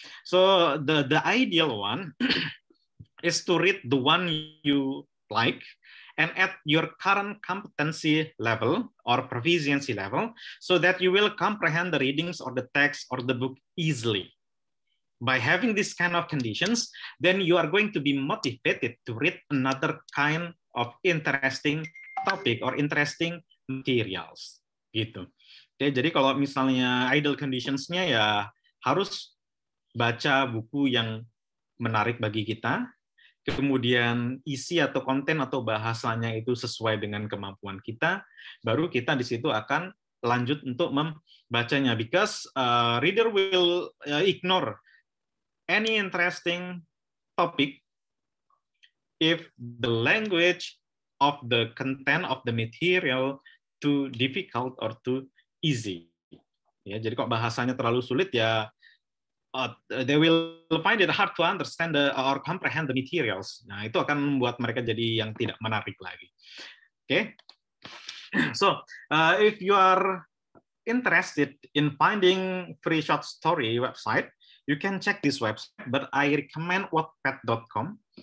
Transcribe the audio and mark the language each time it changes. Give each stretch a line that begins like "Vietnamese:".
English: So the ideal one is to read the one you like and at your current competency level or proficiency level so that you will comprehend the readings or the text or the book easily. By having this kind of conditions, then you are going to be motivated to read another kind of interesting topic or interesting materials.
Indonesian: Gitu. Oke, jadi kalau misalnya ideal conditions-nya ya harus baca buku yang menarik bagi kita, kemudian isi atau konten atau bahasanya itu sesuai dengan kemampuan kita, baru kita di situ akan lanjut untuk membacanya.
English: Because reader will ignore any interesting topic if the language of the content of the material too difficult or too easy.
Indonesian: Ya, jadi kok bahasanya terlalu sulit ya,
English: they will find it hard to understand or comprehend the materials.
Indonesian: Nah, itu akan membuat mereka jadi yang tidak menarik lagi.
English: Okay. So, if you are interested in finding free short story website, you can check this website, but I recommend wattpad.com.